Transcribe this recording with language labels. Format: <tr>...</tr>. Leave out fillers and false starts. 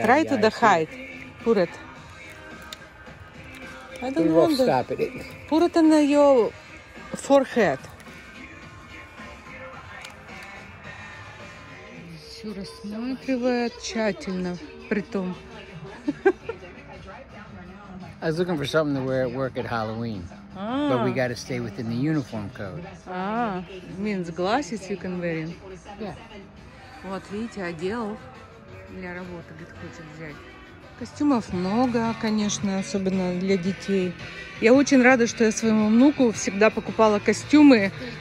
<en>Try to the height. Put it. I don't know. The... Stop it. Put it on your forehead.</en> <ru>Все рассматривает тщательно, при том.</ru> <en>I was looking for something to wear at work at Halloween. But we got to stay within the uniform code. Means glasses you can wear in. Yeah.</en> <ru>Вот, видите, одел для работы, говорит, хочет взять. Костюмов много, конечно, особенно для детей. Я очень рада, что я своему внуку всегда покупала костюмы.</ru>